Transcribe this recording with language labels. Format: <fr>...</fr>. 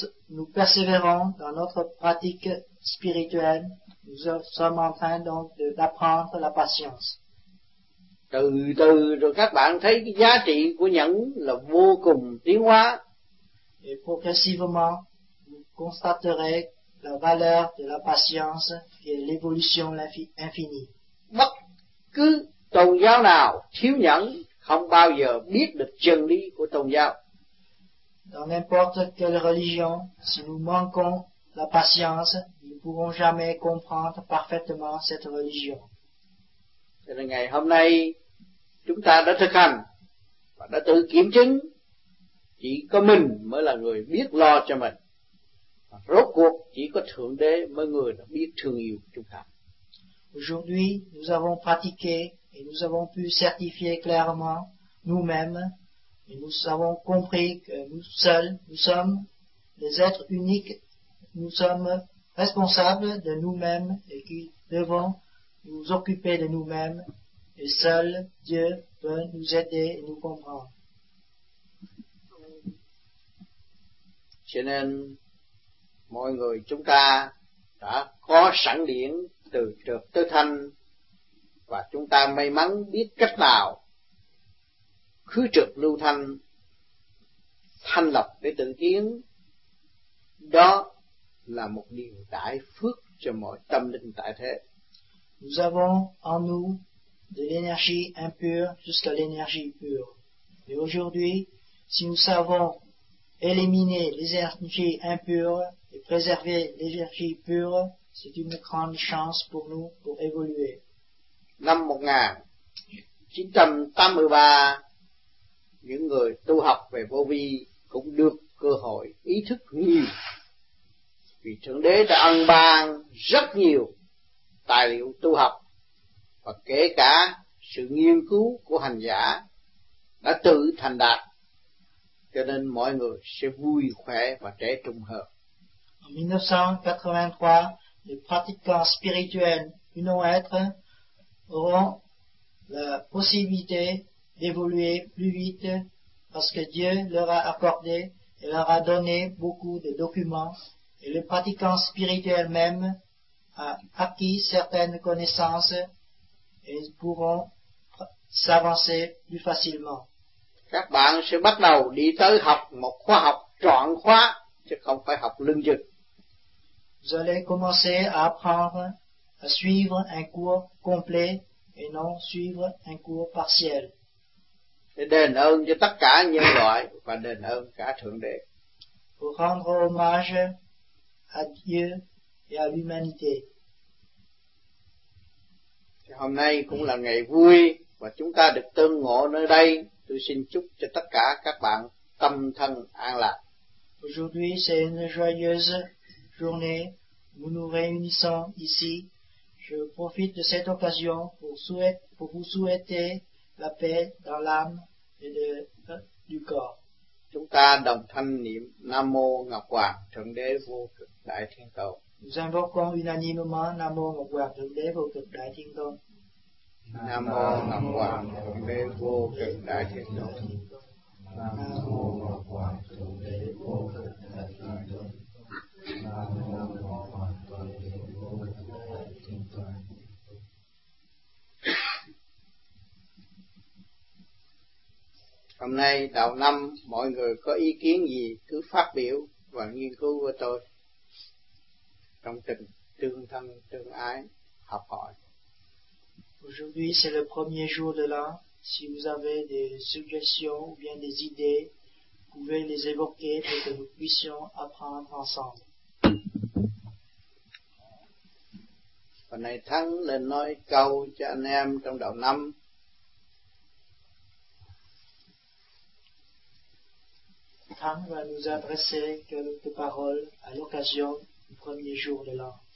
<fr>Nous persévérons dans notre pratique spirituelle, nous sommes en train donc d'apprendre la patience.</fr> <vi>Từ từ rồi các bạn thấy cái giá trị của nhẫn là vô cùng tiến hóa.</vi> <fr>Et progressivement, vous constaterez la valeur de la patience et l'évolution infinie.</fr> <vi>Bất cứ tôn giáo nào thiếu nhẫn không bao giờ biết được chân lý của tôn giáo.</vi> <fr>Dans n'importe quelle religion, si nous manquons la patience, nous ne pourrons jamais comprendre parfaitement cette religion.</fr> <vi>Cho nên ngày hôm nay, chúng ta đã thực hành và đã tự kiểm chứng, chỉ có mình mới là người biết lo cho mình. Rốt cuộc chỉ có Thượng Đế mới người đã biết thương yêu chúng ta.</vi> <fr>Aujourd'hui, nous avons pratiqué et nous avons pu certifier clairement nous-mêmes. Et nous avons compris que nous seuls, nous sommes des êtres uniques, nous sommes responsables de nous-mêmes et qu'il devons nous occuper de nous-mêmes et seul Dieu peut nous aider et nous comprendre.</fr> <vi>Cho nên, mọi người chúng ta đã có sẵn điển từ trượt tới thanh và chúng ta may mắn biết cách nào khứ trực lưu thanh, thanh lọc để tự tiến, đó là một điều đại phước cho mọi tâm linh tại thế.</vi> <fr>Nous avons en nous de l'énergie impure jusqu'à l'énergie pure. Et aujourd'hui, si nous savons éliminer les énergies impures et préserver l'énergie pure, c'est une grande chance pour nous pour évoluer.</fr> <vi>Năm 1983, những người tu học về vô vi cũng được cơ hội ý thức nhiều, vì Thượng Đế đã ân ban rất nhiều tài liệu tu học và kể cả sự nghiên cứu của hành giả đã tự thành đạt, cho nên mọi người sẽ vui khỏe và trẻ trung hơn.</vi> <fr>En 1983, les pratiquants spirituels du non-être auront la possibilité d'évoluer plus vite parce que Dieu leur a accordé et leur a donné beaucoup de documents et le pratiquant spirituel même a acquis certaines connaissances et pourront s'avancer plus facilement.</fr> <vi>Các bạn sẽ bắt đầu đi tới học một khóa học trọn khóa chứ không phải học lưng dựng.</vi> <fr>Vous allez commencer à apprendre à suivre un cours complet et non suivre un cours partiel.</fr> <vi>Để đền ơn cho tất cả nhân loại và đền ơn cả Thượng Đế.</vi> <fr>Pour rendre hommage à Dieu et à l'humanité.</fr> <vi>Hôm nay cũng là ngày vui và chúng ta được tương ngộ nơi đây. Tôi xin chúc cho tất cả các bạn tâm thân an lạc.</vi> <fr>Aujourd'hui c'est une joyeuse journée. Nous nous réunissons ici. Je profite de cette occasion pour vous souhaiter la paix dans l'âme et du corps.</fr> <vi>Chúng ta đồng thanh niệm Nam Mô Ngọc Hoàng Thượng Đế Vô Cực. Đại Thiên Tôn.</vi> <fr>Nous invoquons unanimement Namo Mahamudra Vô Cực Đại Thiên Tôn.</fr> <vi>Namo Mahamudra Vô Cực Đại Thiên Tôn. Namo Mahamudra Vô Cực Đại Thiên Tôn. Hôm nay đầu năm mọi người có ý kiến gì cứ phát biểu và nghiên cứu với tôi trong tình tương thân tương ái học hỏi.</vi> <fr>Aujourd'hui c'est le premier jour de l'an. Si vous avez des suggestions ou bien des idées, vous pouvez les évoquer pour que nous puissions apprendre ensemble.</fr> <vi>Hôm nay Thắng lên nói câu cho anh em trong đầu năm.</vi> <fr>Thắng va nous adresser quelques paroles à l'occasion du premier jour de l'an.</fr>